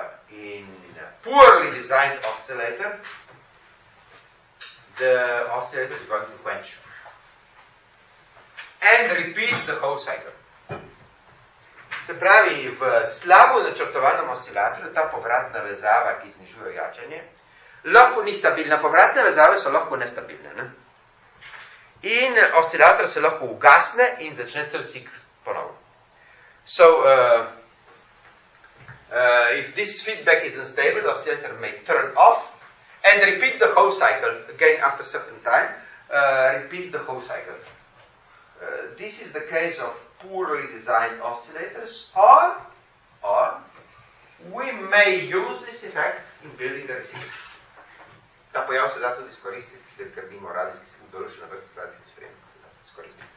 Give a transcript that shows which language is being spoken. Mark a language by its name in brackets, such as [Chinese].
[English] In a poorly designed oscillator, the oscillator is going to quench. And repeat the whole cycle. [Slovenian] Se pravi, v slabo načrtovanem oscilatorju ta povratna vezava, ki znižuje jačanje, lahko ni stabilna. Povratne vezave so lahko nestabilne. Ne? In oscilator se lahko ugasne in začne cel cikl ponovno. [English] So, if this feedback is unstable, the oscillator may turn off and repeat the whole cycle again after a certain time. Repeat the whole cycle. This is the case of poorly designed oscillators, or we may use this effect in building the receiver. [Slovenian] Ta pojav se da tudi izkoristiti, da krbimo radijski se vdoločeno vrstu radijski sprejem.